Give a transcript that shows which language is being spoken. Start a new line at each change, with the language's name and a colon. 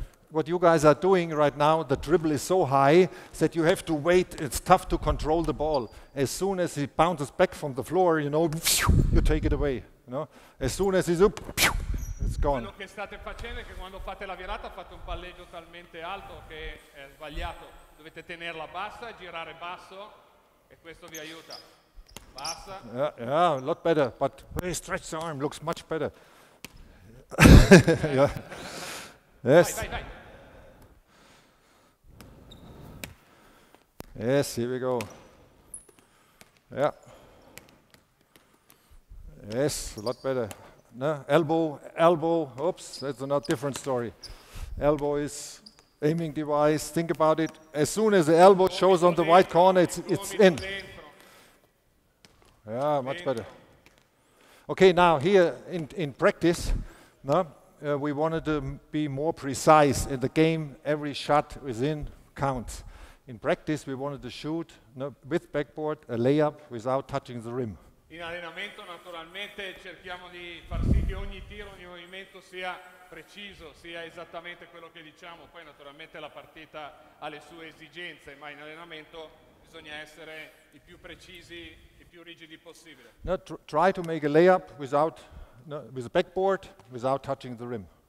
English: What you guys are doing right now, the dribble is so high that you have to wait. It's tough to control the ball. As soon as it bounces back from the floor, you take it away. As soon as it's up, it's gone.
Italian: Quello che state facendo è che quando fate la virata fate un palleggio talmente alto che è sbagliato. Dovete tenerla bassa, girare basso, e questo vi aiuta. Bassa.
English: Yeah, a lot better. But hey, stretch the arm, looks much better. Yes.
Italian: Vai.
English: Yes, here we go. Yeah. Yes, a lot better. No, elbow. Oops, that's another different story. Elbow is aiming device. Think about it. As soon as the elbow shows on the white corner, it's in. Yeah, much better. Okay, now here in practice, no? We wanted to be more precise in the game. Every shot within counts. In practice, we wanted to shoot with backboard a layup without touching the rim.
Italian: In allenamento, naturalmente, cerchiamo di far sì che ogni tiro, ogni movimento sia preciso, sia esattamente quello che diciamo. Poi, naturalmente, la partita ha le sue esigenze, ma in allenamento bisogna essere i più precisi, i più rigidi possibile.
English: No, try to make a layup without. No, with the backboard, without touching the rim.